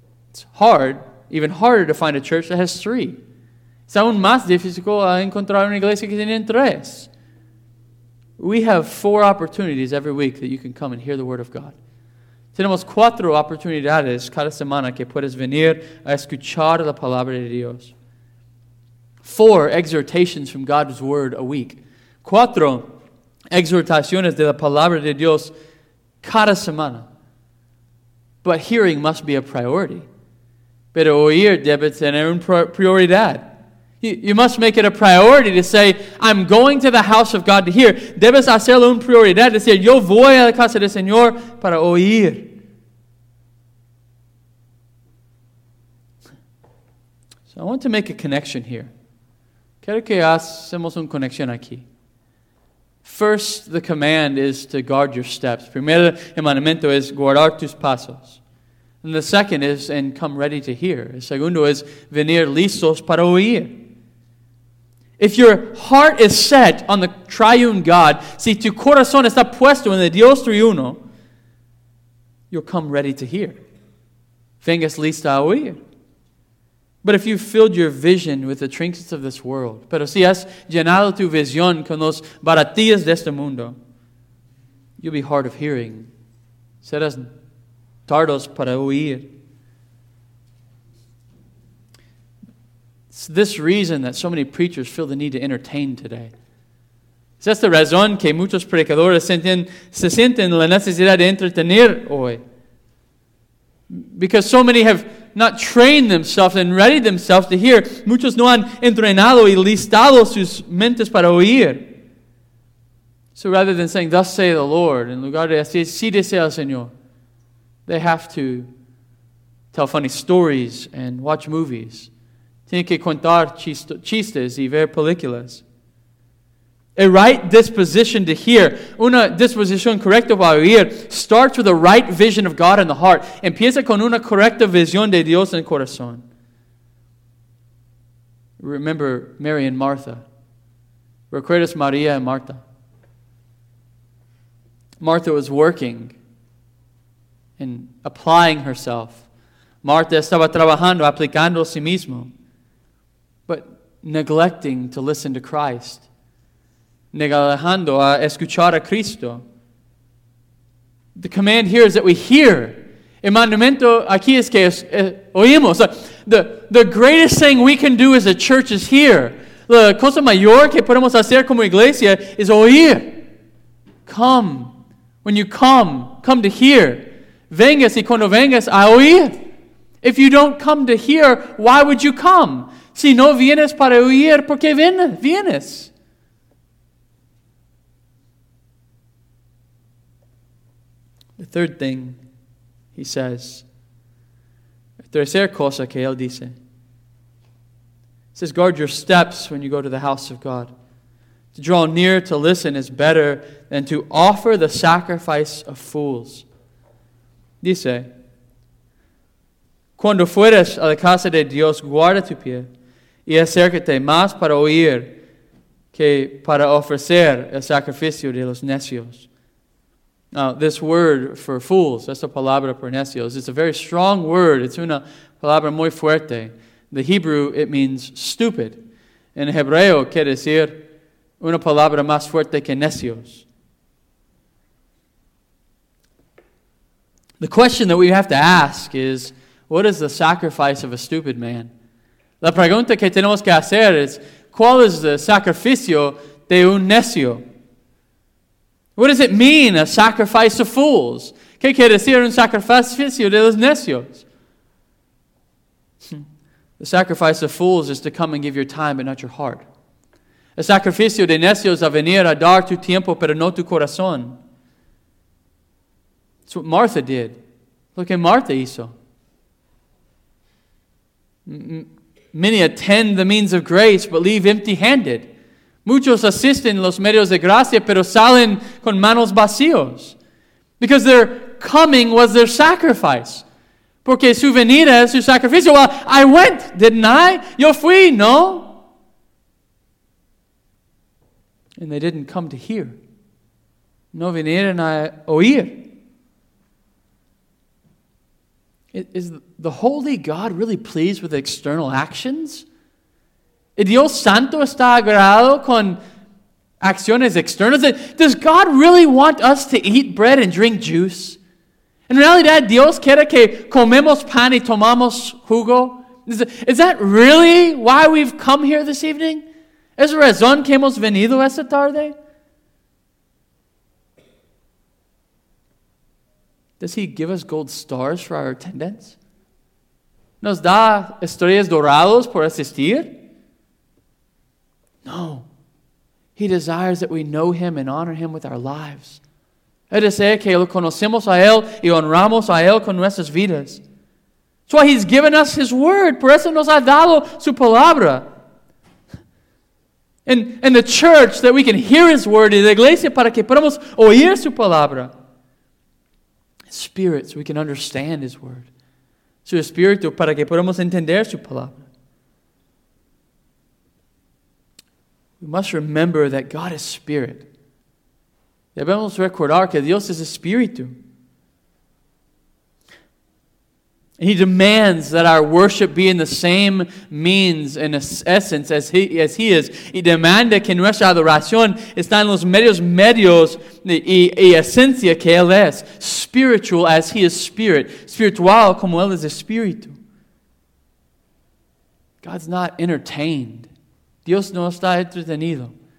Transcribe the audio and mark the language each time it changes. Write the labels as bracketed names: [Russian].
[English] It's hard, even harder to find a church that has three. [Spanish] Es aún más difícil encontrar una iglesia que tiene tres. [English] We have four opportunities every week that you can come and hear the Word of God. [Spanish] Tenemos cuatro oportunidades cada semana que puedes venir a escuchar la Palabra de Dios. [English] Four exhortations from God's Word a week. [Spanish] Cuatro exhortaciones de la Palabra de Dios cada semana. [English] But hearing must be a priority. [Spanish] Pero oír debe tener una prioridad. [English] You must make it a priority to say, I'm going to the house of God to hear. [Spanish] Debes hacerlo una prioridad. Decir, yo voy a la casa del Señor para oír. [English] So I want to make a connection here. [Spanish] Quiero que hacemos una conexión aquí. [English] First, the command is to guard your steps. [Spanish] Primero, el mandamiento es guardar tus pasos. [English] And the second is, and come ready to hear. [Spanish] El segundo es, venir listos para oír. [English] If your heart is set on the triune God, [Spanish] si tu corazón está puesto en el Dios triuno, [English] you'll come ready to hear. [Spanish] Vengas listo a oír. [English] But if you've filled your vision with the trinkets of this world, [Spanish] pero si has llenado tu visión con los baratillas de este mundo, [English] you'll be hard of hearing. [Spanish] Serás tardos para oír. [English] It's this reason that so many preachers feel the need to entertain today. [Spanish] Es esta razón que muchos predicadores se sienten la necesidad de entretener hoy. [English] Because so many have not trained themselves and ready themselves to hear. [Spanish] Muchos no han entrenado y listado sus mentes para oír. [English] So rather than saying, thus say the Lord, [Spanish] en lugar de así, sí desea el Señor, [English] they have to tell funny stories and watch movies. [Spanish] Tienen que contar chistes y ver películas. [English] A right disposition to hear, [Spanish] una disposición correcta para oír, [English] starts with a right vision of God in the heart. [Spanish] Empieza con una correcta visión de Dios en el corazón. [English] Remember Mary and Martha. [Spanish] Recuerdas María y Marta. [English] Martha was working and applying herself. [Spanish] Martha estaba trabajando, aplicando a sí mismo, [English] but neglecting to listen to Christ. [Spanish] Negando a escuchar a Cristo. [English] The command here is that we hear. [Spanish] El mandamiento aquí es que oímos. [English] The greatest thing we can do as a church is hear. [Spanish] La cosa mayor que podemos hacer como iglesia es oír. [English] Come. When you come, come to hear. [Spanish] Vengas y cuando vengas a oír. [English] If you don't come to hear, why would you come? [Spanish] Si no vienes para oír, ¿por qué vienes? [English] The third thing he says, [Spanish] tercera cosa que él dice, [English] he says, guard your steps when you go to the house of God. To draw near to listen is better than to offer the sacrifice of fools. [Spanish] Dice, cuando fueres a la casa de Dios, guarda tu pie y acércate más para oír que para ofrecer el sacrificio de los necios. [English] Now, this word for fools, [Spanish] esta palabra por necios, [English] it's a very strong word. It's [Spanish] una palabra muy fuerte. [English] The Hebrew, it means stupid. [Spanish] En Hebreo, quiere decir una palabra más fuerte que necios. [English] The question that we have to ask is, what is the sacrifice of a stupid man? [Spanish] La pregunta que tenemos que hacer es, ¿cuál es el sacrificio de un necio? [English] What does it mean, a sacrifice of fools? [Spanish] ¿Qué quiere decir un sacrificio de los necios? [English] The sacrifice of fools is to come and give your time, but not your heart. [Spanish] El sacrificio de necios a venir a dar tu tiempo, pero no tu corazón. [English] It's what Martha did. Look at Martha hizo. Many attend the means of grace, but leave empty-handed. [Spanish] Muchos asisten los medios de gracia, pero salen con manos vacíos. [English] Because their coming was their sacrifice. [Spanish] Porque su venida es su sacrificio. [English] Well, I went, didn't I? [Spanish] Yo fui, no? [English] And they didn't come to hear. [Spanish] No vinieron a oír. [English] Is the holy God really pleased with external actions? [Spanish] ¿Dios Santo está agradado con acciones externas? [English] Does God really want us to eat bread and drink juice? [Spanish] En realidad, ¿Dios quiere que comemos pan y tomamos jugo? [English] Is that really why we've come here this evening? [Spanish] ¿Es razón que hemos venido esta tarde? [English] Does he give us gold stars for our attendance? [Spanish] ¿Nos da estrellas doradas por asistir? [English] No, he desires that we know him and honor him with our lives. [Spanish] Él desea que lo conocemos a él y honramos a él con nuestras vidas. [English] That's why he's given us his word. [Spanish] Por eso nos ha dado su palabra. [English] And the church, that we can hear his word. [Spanish] Y la iglesia, para que podamos oír su palabra. [English] Spirit, so we can understand his word. [Spanish] Su espíritu, para que podamos entender su palabra. [English] We must remember that God is spirit. [Spanish] Debemos recordar que Dios es espíritu. [English] And he demands that our worship be in the same means and essence as he is. [Spanish] Y demanda que nuestra adoración está en los medios y esencia que él es. [English] Spiritual as he is spirit. [Spanish] Spiritual como él es espíritu. [English] God's not entertained. [Spanish] Dios no está entretenido.